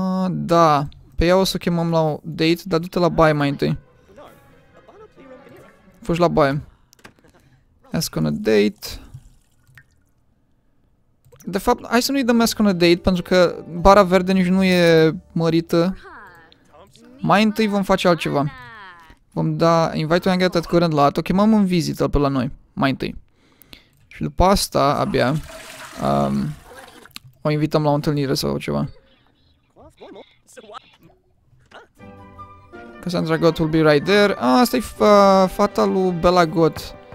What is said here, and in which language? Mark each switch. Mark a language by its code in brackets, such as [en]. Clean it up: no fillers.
[ro] Da. Pe ea o să o chemăm la o date, dar du-te la baie mai întâi. Fugi la baie. [en] Ask on a date. [ro] De fapt, hai să nu-i dăm [en] ask on a date, [ro] pentru că bara verde nici nu e mărită. Mai întâi vom face altceva. Vom da [en] invite to hang out at current lot. [ro] O chemăm în vizită pe la noi, mai întâi. Și după asta, abia, o invităm la o întâlnire sau ceva. Cassandra Gott [en] will be right there. [ro] Ah, asta-i fata lui Bella Gott.